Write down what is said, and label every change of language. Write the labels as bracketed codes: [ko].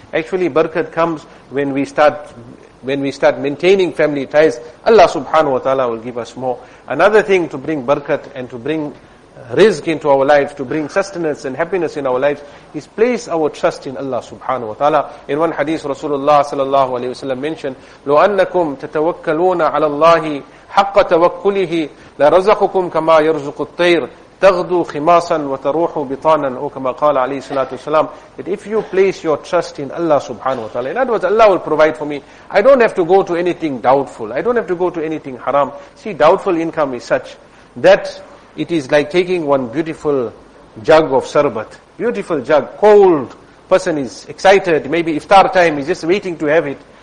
[en] Actually, barakat comes when we start maintaining family ties. Allah subhanahu wa ta'ala will give us more. Another thing to bring barakat and to bring risk into our lives, to bring sustenance and happiness in our lives, is place our trust in Allah subhanahu wa ta'ala. In one hadith, Rasulullah sallallahu alayhi wa sallam mentioned, [ar] لو أنكم تتوكلون على الله حق توكله لرزقكم كما يرزق الطير تغدو خماصا وتروح بطانا أو كما قال عليه الصلاة والسلام. [en] That if you place your trust in Allah subhanahu wa ta'ala, in other words, Allah will provide for me, I don't have to go to anything doubtful, I don't have to go to anything haram. See, doubtful income is such that it is like taking one beautiful jug of sarbat. Beautiful jug, cold, person is excited, maybe iftar time, he's just waiting to have it.